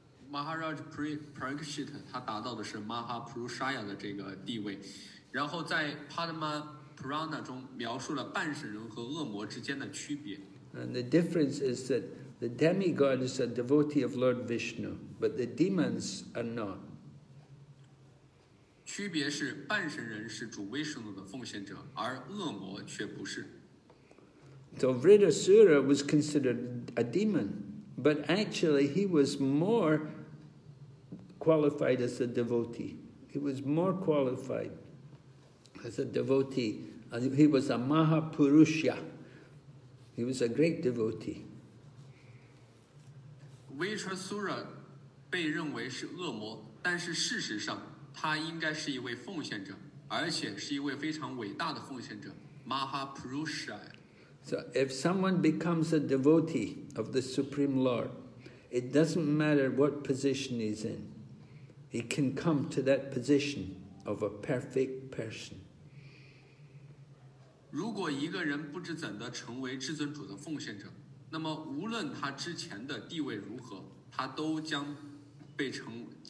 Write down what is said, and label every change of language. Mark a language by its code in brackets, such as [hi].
[en] Maharaj Parikshit, he attained the Mahapurushaya position. Then, in Padma Purana, it describes the difference between the demigods and the demon. And the difference is that the demigod is a devotee of Lord Vishnu, but the demons are not. [zh] 区别是半神人是主威士努的奉献者，而恶魔却不是。 [en] So Vritasura was considered a demon, but actually he was more qualified as a devotee. He was more qualified as a devotee. He was a Mahapurusha. He was a great devotee. [zh] Vritasura 被认为是恶魔，但是事实上他应该是一位奉献者，而且是一位非常伟大的奉献者 ，Mahapurusha。 [en] So if someone becomes a devotee of the Supreme Lord, it doesn't matter what position he's in, he can come to that position of a perfect person. [zh] 如果一个人不知怎的成为至尊主的奉献者，那么无论他之前的地位如何，他都将被成。